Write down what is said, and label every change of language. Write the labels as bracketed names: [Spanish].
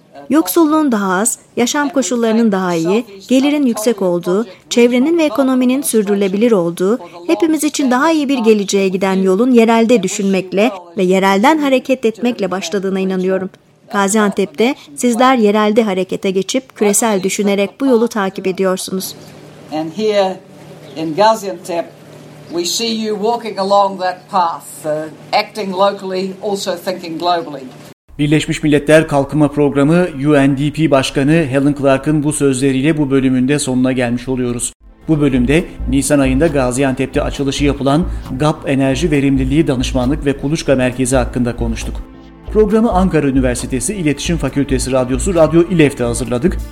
[Turkish] Yoksulluğun daha az, yaşam koşullarının daha iyi, gelirin yüksek olduğu, çevrenin ve ekonominin sürdürülebilir olduğu, hepimiz için daha iyi bir geleceğe giden yolun yerelde düşünmekle ve yerelden hareket etmekle başladığına inanıyorum. Gaziantep'te sizler yerelde harekete geçip küresel düşünerek bu yolu takip ediyorsunuz. [English] And here in Gaziantep we see you walking along that path, acting locally, also thinking globally. [Turkish] Birleşmiş Milletler Kalkınma Programı UNDP Başkanı Helen Clark'ın bu sözleriyle bu bölümünde sonuna gelmiş oluyoruz. Bu bölümde Nisan ayında Gaziantep'te açılışı yapılan GAP Enerji Verimliliği Danışmanlık ve Kuluçka Merkezi hakkında konuştuk. Programı Ankara Üniversitesi İletişim Fakültesi Radyosu Radyo İLEF'te hazırladık.